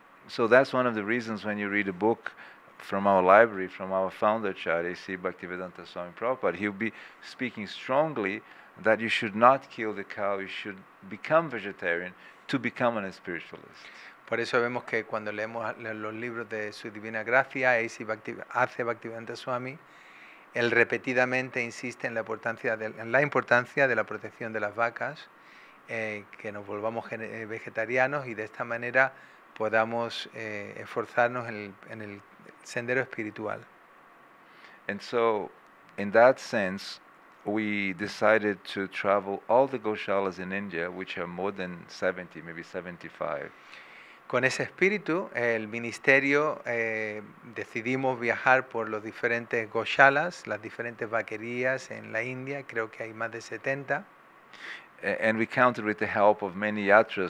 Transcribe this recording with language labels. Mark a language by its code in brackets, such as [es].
[en] So that's one of the reasons when you read a book from our library, from our founder, Acharya C. Bhaktivedanta Swami Prabhupada, he'll be speaking strongly that you should not kill the cow, you should become vegetarian to become a spiritualist. [es] Por eso vemos que cuando leemos los libros de Su Divina Gracia, A.C. Bhaktivedanta Swami, él repetidamente insiste en la importancia de la protección de las vacas, que nos volvamos vegetarianos y de esta manera podamos esforzarnos en el sendero espiritual. [en] And so, in that sense, we decided to travel all the Goshalas in India, which are more than 70, maybe 75. [es] Con ese espíritu, el ministerio decidimos viajar por los diferentes Goshalas, las diferentes vaquerías en la India, creo que hay más de 70. [en] And we counted with the help of many yatras.